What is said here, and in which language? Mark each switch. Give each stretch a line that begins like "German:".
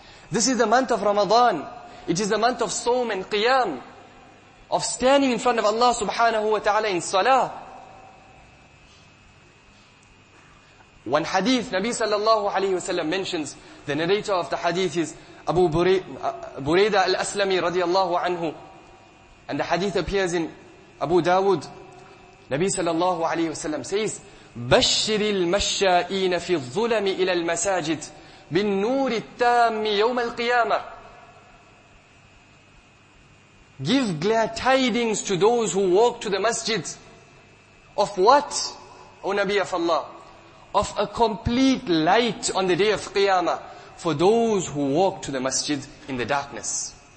English: This is the month of Ramadan. It is the month of Sawm and Qiyam, of standing in front of Allah subhanahu wa ta'ala in salah. One hadith, Nabi sallallahu alayhi wa sallam mentions, the narrator of the hadith is Abu Burayda al-Aslami radiallahu anhu. And the hadith appears in Abu Dawud. Nabi sallallahu alayhi wa sallam says,
Arabic: بَشِّرِ الْمَشَّائِينَ فِي الظُّلَمِ إِلَى الْمَسَاجِدِ بِالنُّورِ التَّامِّ يَوْمَ الْقِيَامَةِ.
English: Give glad tidings to those who walk to the masjid. Of what, O Nabi of Allah? Of a complete light on the day of Qiyamah for those who walk to the masjid in the darkness.